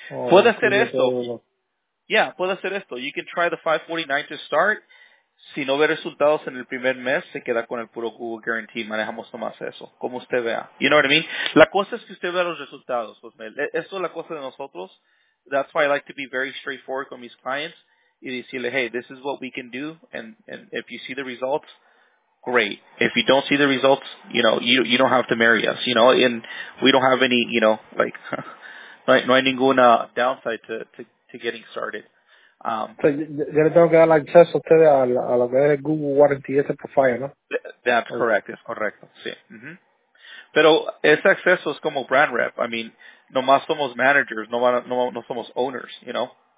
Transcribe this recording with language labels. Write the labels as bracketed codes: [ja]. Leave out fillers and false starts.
[es] Puede hacer esto. [en] Yeah, [es] puede hacer esto. [en] You can try the 549 to start. [es] Si no ve resultados en el primer mes, se queda con el puro Google Guarantee. Manejamos nomás eso, como usted vea. [en] You know what I mean? [es] La cosa es que usted vea los resultados. Pues, eso es la cosa de nosotros. [en] That's why I like to be very straightforward [es] con mis clients y decirle, [en] hey, this is what we can do. And if you see the results, great. If you don't see the results, you know, you don't have to marry us. You know, and we don't have any, you know, like, [es] no hay ninguna [en] downside to getting started. [es] Yo le tengo que dar acceso a ustedes a lo que es el Google Warranty, ese profile, ¿no? [en] That's correct, [es] sí. Mm-hmm. Pero ese acceso es como brand rep. [en] I mean, [es] nomás somos managers, no somos owners, [en] you know?